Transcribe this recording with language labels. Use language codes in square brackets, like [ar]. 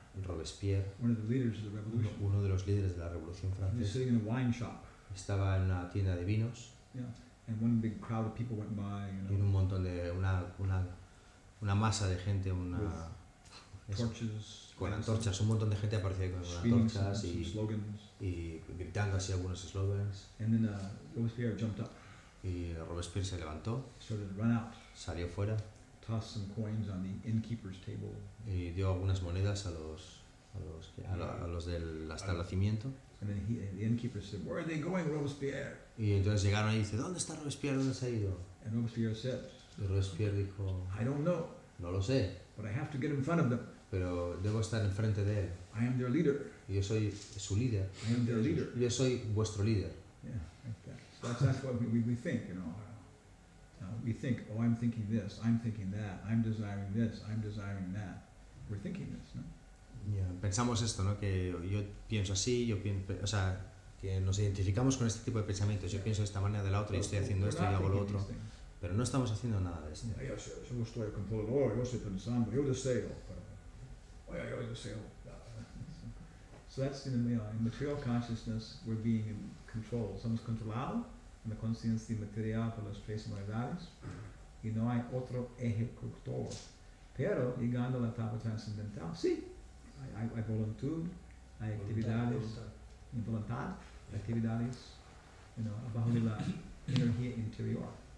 [es] uno de los líderes de la Revolución Francesa, [en] sitting in a wine shop, [es] estaba en una tienda de vinos. [en] Yeah, and one big crowd of people went by, you know, [es] y un montón de una masa de gente, una [en] torches, [es] con antorchas, un montón de gente aparecía con antorchas y gritando así algunos slogans. [en] And then, Robespierre jumped up. [es] Y Robespierre se levantó, [en] started to run out, [es] salió fuera, [en] tossed some coins on the innkeeper's table, [es] y dio algunas monedas a los del establecimiento. [en] And then the innkeeper said, "Where are they going, Robespierre?" [es] Y entonces llegaron y dice, "¿Dónde está Robespierre? ¿Dónde se ha ido?" [en] And Robespierre said, [es] y Robespierre dijo, [en] "I don't know. [es] No lo sé. [en] But I have to get in front of them. [es] Pero debo estar enfrente de él. [en] I am their leader. [es] Yo soy su líder. [en] I am their leader. [es] Yo soy vuestro líder." [en] Yeah, like that. So that's what we think, you know. We think, oh, I'm thinking this, I'm thinking that, I'm desiring this, I'm desiring that. We're thinking this, no? [es] Yeah, pensamos esto, ¿no? Que yo pienso así, o sea, que nos identificamos con este tipo de pensamientos. Yo pienso de esta manera, de la otra, y estoy haciendo esto y hago lo otro. Pero no estamos haciendo nada de esto. Yo no estoy controlando, yo estoy pensando, yo deseo. Yo deseo. [en] So that's in the material consciousness, we're being in control. [es] Somos controlados en la conciencia material por las tres modalidades y no hay otro ejecutor. Pero llegando a la etapa transcendental, sí, hay voluntad, hay actividades, actividades, you know, abajo de la energía interior.